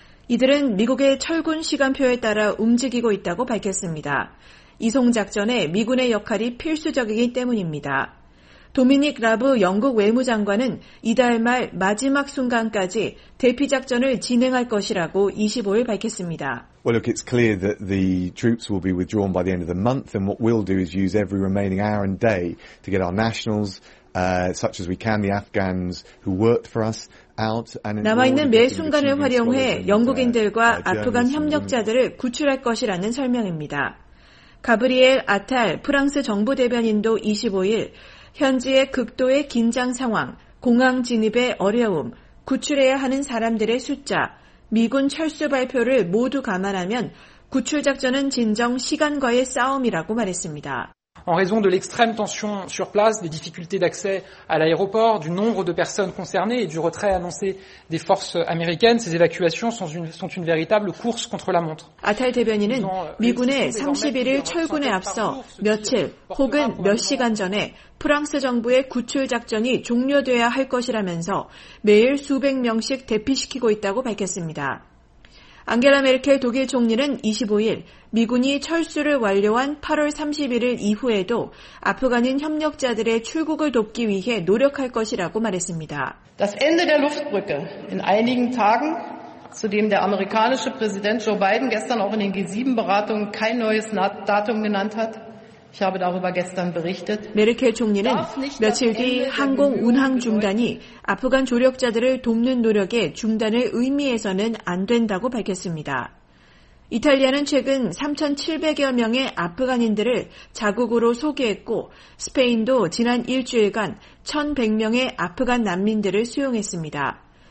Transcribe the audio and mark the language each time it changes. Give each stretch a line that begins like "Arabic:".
Korean: 이들은 미국의 철군 시간표에 따라 움직이고 있다고 밝혔습니다. 이송 작전에 미군의 역할이 필수적이기 때문입니다. 도미닉 라브 영국 외무장관은 이달 말 마지막 순간까지 대피 작전을 진행할 것이라고 25일 밝혔습니다.
English: Well, look, it's clear that the troops will be withdrawn by the end of the month, and what we'll do is use every remaining hour and day to get our nationals, such as we can, the Afghans who worked for us.
Korean: 남아있는 매 순간을 활용해 영국인들과 아프간 협력자들을 구출할 것이라는 설명입니다. 가브리엘 아탈 프랑스 정부 대변인도 25일 현지의 극도의 긴장 상황, 공항 진입의 어려움, 구출해야 하는 사람들의 숫자, 미군 철수 발표를 모두 감안하면 구출 작전은 진정 시간과의 싸움이라고 말했습니다.
French: En raison de l'extrême tension sur place, des difficultés d'accès à l'aéroport, du nombre de personnes concernées et du retrait annoncé des forces américaines, ces évacuations sont une véritable course contre la montre.
Korean: 아탈 대변인은 미군의 31일 철군에 앞서 며칠 혹은 몇 시간 전에 프랑스 정부의 구출 작전이 종료돼야 할 것이라면서 매일 수백 명씩 대피시키고 있다고 밝혔습니다. 앙겔라 메르켈 독일 총리는 25일 미군이 철수를 완료한 8월 31일 이후에도 아프간인 협력자들의 출국을 돕기 위해 노력할 것이라고 말했습니다.
German: Das Ende der Luftbrücke in einigen Tagen, zu dem der amerikanische Präsident Joe Biden gestern auch in den G7-Beratungen kein neues Datum genannt hat. Ich habe darüber gestern berichtet.
Korean: 메르켈 총리는 며칠 뒤 항공 운항 중단이 아프간 조력자들을 돕는 노력의 중단을 의미해서는 안 된다고 밝혔습니다. 이탈리아는 최근 3,700여 명의 아프간인들을 자국으로 소개했고 스페인도 지난 일주일간 1,100명의 아프간 난민들을 수용했습니다.